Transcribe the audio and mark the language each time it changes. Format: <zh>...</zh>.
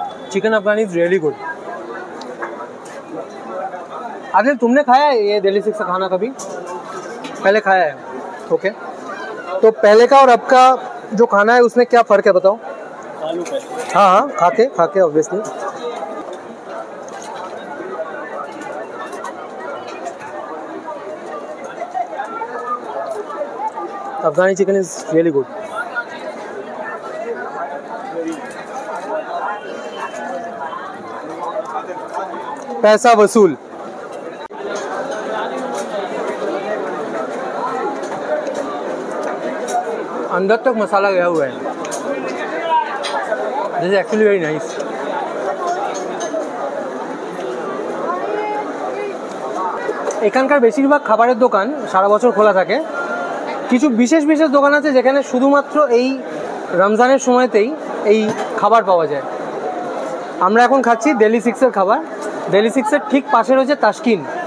<en>Chicken Afghani is really good.</en> <hi>Adil, তুমনে খায়া ইয়ে Delhi six কা খানা কবি? पहले खाया है। ओके, तो पहले का और अब का जो खाना है उसमें क्या फ़र्क है बताओ? हाँ हाँ, खाके obviously.</hi> <en>Afghani chicken is really good.</en> <hi>पैसा वसूल। अंदर तक मसाला गया हुआ है,</hi> <en>This is actually very nice.</en> <bn>এখানকার বেশিরভাগ খাবারের দোকান সারা বছর খোলা থাকে, কিছু বিশেষ বিশেষ দোকান আছে যেখানে শুধুমাত্র এই রমজানের সময়তেই এই খাবার পাওয়া যায়। আমরা এখন খাচ্ছি দিল্লি সিক্স এর খাবার। দিল্লি সিক্স এর ঠিক পাশে রয়েছে তাস্কিন।</bn>